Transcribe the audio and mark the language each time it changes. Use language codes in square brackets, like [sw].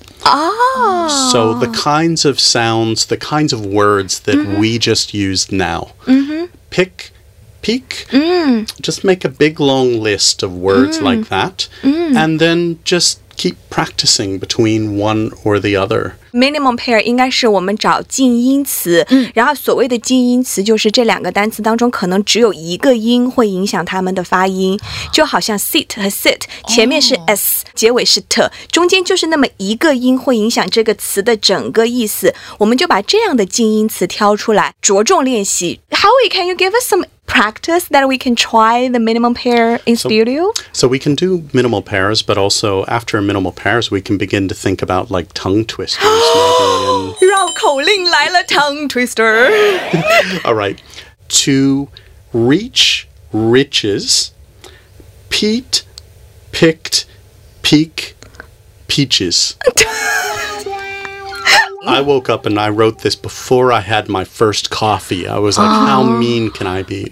[en] Oh. So the kinds of sounds, the kinds of words that we just used now. Pick, peek, just make a big long list of words like that, and then just keep practicing between one or the other. [zh] Minimum pair 应该是我们找静音词，然后所谓的静音词就是这两个单词当中可能只有一个音会影响它们的发音，就好像 sit 和 sit 前面是 s， 结尾是 t， 中间就是那么一个音会影响这个词的整个意思，我们就把这样的静音词挑出来着重练习。 [en] Howie, can you give us some practice that we can try the minimal pair in studio? So we can do minimal pairs, but also after minimal pairs, we can begin to think about like tongue twisters. [zh] 绕口令来了, tongue twister. [en] All right. To reach riches, peat picked peak peaches. I woke up and I wrote this before I had my first coffee. I was like, how mean can I be?